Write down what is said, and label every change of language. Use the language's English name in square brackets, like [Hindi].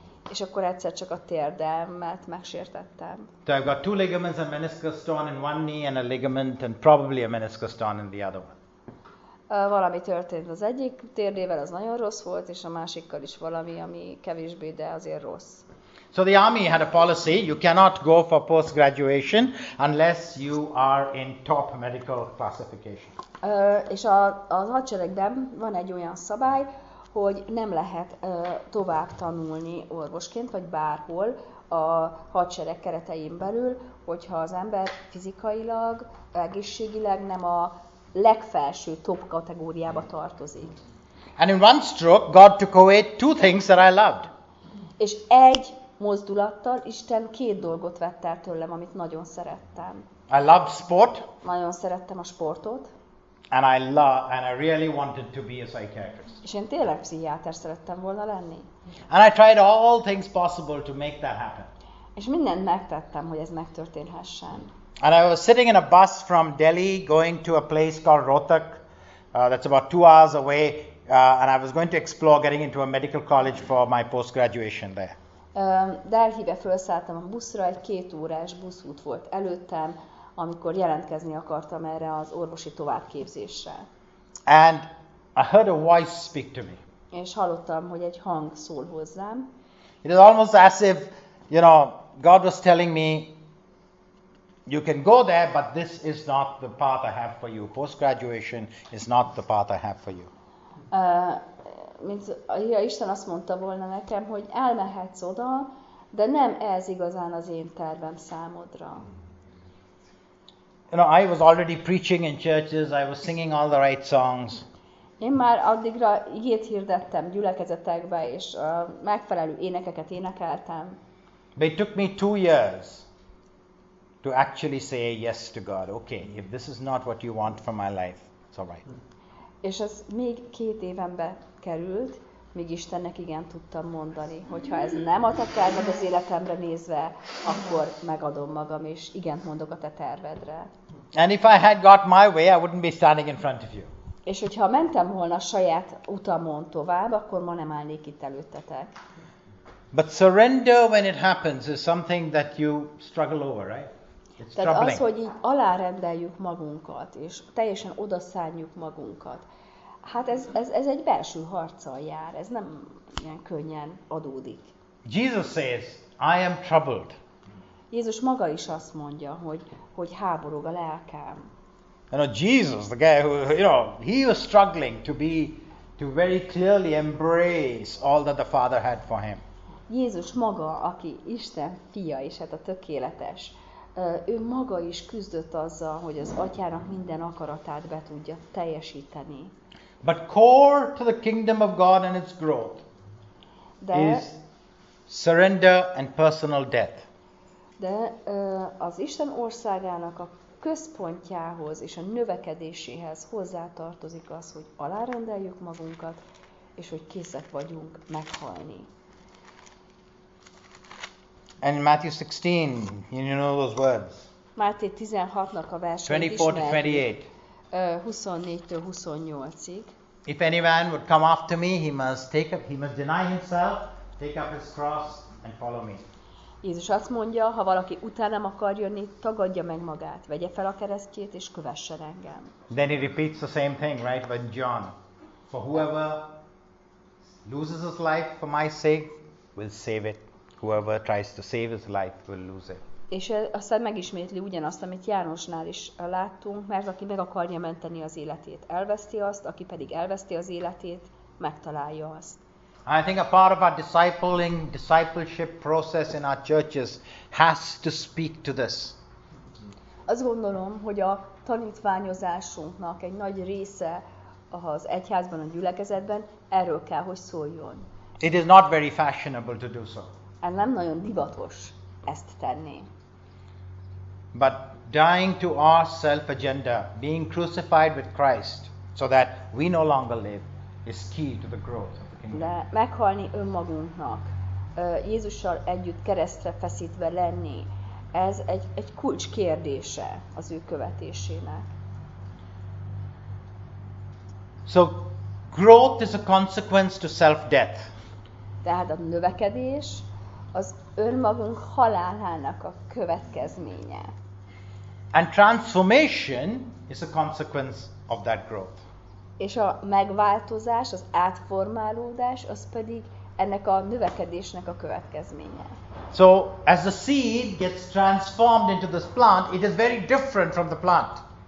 [Hungarian] És akkor egyszer csak a térdemet megsértettem. [English] So I've got two ligaments and meniscus torn in one knee and a ligament and probably a meniscus torn in the other one. [Hungarian] Valami történt az egyik térdével, az nagyon rossz volt, és a másikkal is valami, ami kevésbé, de azért rossz. [English] So the army had a policy, you cannot go for post-graduation unless you are in top medical classification. [Hungarian] És a hadseregben van egy olyan szabály, hogy nem lehet tovább tanulni orvosként, vagy bárhol a hadsereg keretein belül, hogyha az ember fizikailag, egészségileg nem a legfelső top kategóriába tartozik. [English] And in one stroke, God took away two things that I loved. [Hungarian] És egy mozdulattal Isten két dolgot vett el tőlem, amit nagyon szerettem. [English] I loved sport. [Hungarian] Nagyon szerettem a sportot. [English] And I really wanted to be a psychiatrist. [Hungarian] És én tényleg pszichiáter szerettem volna lenni. [English] And I tried all things possible to make that happen. [Hungarian] És mindent megtettem, hogy ez megtörténhessen. [English] And I was sitting in a bus from Delhi going to a place called Rohtak, that's about 2 hours away, and I was going to explore getting into a medical college for my post-graduation there. [Hungarian] Delhibe felszálltam a buszra, egy 2 órás buszút volt előttem, amikor jelentkezni akartam erre az orvosi továbbképzésre. [English] And I heard a voice speak to me. [Hungarian] És hallottam, hogy egy hang szól hozzám. [English] It is almost as if, you know, God was telling me, you can go there, but this is not the path I have for you. Post-graduation is not the path I have for you. [Hungarian] Mint ja, Isten azt mondta volna nekem, hogy elmehetsz oda, de nem ez igazán az én tervem számodra. [English] You know, I was already preaching in churches, I was singing all the right songs. [Hungarian] Én már addigra igét hirdettem gyülekezetekbe, és megfelelő énekeket énekeltem. [English] But it took me 2 years to actually say yes to God. Okay, if this is not what you want for my life, it's all right. [Hungarian] És ez még 2 évembe került, míg Istennek igen tudtam mondani, hogyha ez nem a te terved az életemre nézve, akkor megadom magam, és igen mondok a te tervedre. [English] And if I had got my way, I wouldn't be standing in front of you. [Hungarian] És hogyha mentem volna saját utamon tovább, akkor ma nem állnék itt előttetek. [English] But surrender when it happens is something that you struggle over, right? It's [Hungarian] tehát [English] troubling. [Hungarian] Az, hogy így alárendeljük magunkat, és teljesen odaszálljuk magunkat, hát ez egy belső harccal jár, ez nem ilyen könnyen adódik. [English] Jesus says, I am troubled. [Hungarian] Jézus maga is azt mondja, hogy háborog a lelkem. [English] You know, Jesus, the guy who, you know, he was struggling to very clearly embrace all that the Father had for him. [Hungarian] Jézus maga, aki Isten fia, és hát a tökéletes ő maga is küzdött azzal, hogy az atyának minden akaratát be tudja teljesíteni. [English] But core to the kingdom of God and its growth is surrender and personal death. [Hungarian] De az Isten országának a központjához és a növekedéséhez hozzátartozik az, hogy alárendeljük magunkat, és hogy készek vagyunk meghalni. [English] And in Matthew 16, you know those words. [Hungarian] Máté 16-nak a verseit ismerjük. 24-28. 24-28-ig. [English] If anyone would come after me, he must deny himself, take up his cross and follow me. [Hungarian] Jézus azt mondja, ha valaki utánam akar jönni, tagadja meg magát, vegye fel a keresztjét és kövessen engem. [English] Then he repeats the same thing, right, with John. For whoever loses his life for my sake will save it. Whoever tries to save his life will lose it. [Hungarian] És aztán megismétli ugyanazt, amit Jánosnál is láttunk, mert aki meg akarja menteni az életét, elveszti azt, aki pedig elveszti az életét, megtalálja azt. [English] I think a part of our discipleship process in our churches has to speak to this. [Hungarian] Azt gondolom, hogy a tanítványozásunknak egy nagy része az egyházban, a gyülekezetben erről kell, hogy szóljon. [English] It is not very fashionable to do so. [Hungarian] Ez nem nagyon divatos ezt tenni. [English] But dying to our self-agenda, being crucified with Christ, so that we no longer live, is key to the growth. [Hungarian] De meghalni önmagunknak, Jézussal együtt keresztre feszítve lenni, ez egy kulcs kérdése az ő követésének. [English] So growth is a consequence to self-death. [Hungarian] Tehát a növekedés az önmagunk halálának a következménye. [English] And transformation is a consequence of that growth. [Hungarian] És a megváltozás, az átformálódás, az pedig ennek a növekedésnek a következménye. [English] So, as the seed gets transformed into this plant, it is very different from the plant.